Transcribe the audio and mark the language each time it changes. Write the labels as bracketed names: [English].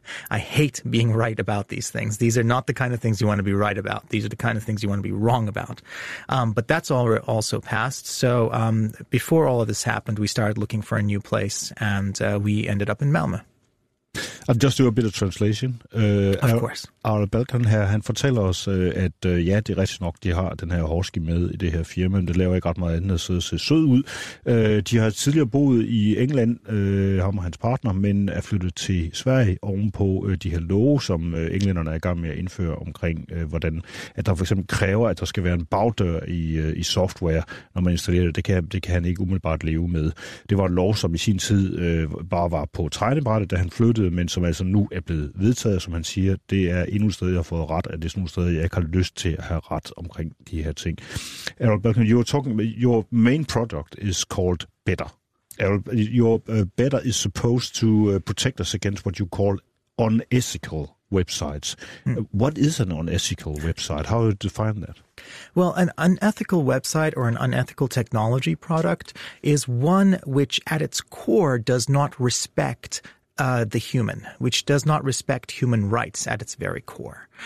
[English] I hate being right about these things. These are not the kind of things you want to be right about. These are the kind of things you want to be wrong about. But that's all also passed. So before all of this happened, we started looking for a new place, and we ended up in Malmö. I'll just do a bit of translation. Of course. [Danish] Errol Balkan her, han fortæller os, at ja, det er rigtig nok, de har den her husky med i det her firma, men det laver ikke ret meget andet at se sød ud. De har tidligere boet i England, ham og hans partner, men er flyttet til Sverige ovenpå de her love, som englænderne er i gang med at indføre omkring, hvordan at der for eksempel kræver, at der skal være en bagdør i software, når man installerer det. Det kan han ikke umiddelbart leve med. Det var en lov, som i sin tid bare var på tegnebrættet, da han flyttede, men som altså nu er blevet vedtaget, som han siger, det er endnu et sted, jeg har fået ret, at det er sådan et sted, jeg ikke har lyst til at have ret omkring de her ting. [English] Errol Balkan, your main product is called Better. Your Better is supposed to protect us against what you call unethical websites. Mm. What is an unethical website? How do you define that? Well, an unethical website or an unethical technology product is one which at its core does not respect the human, which does not respect human rights at its very core.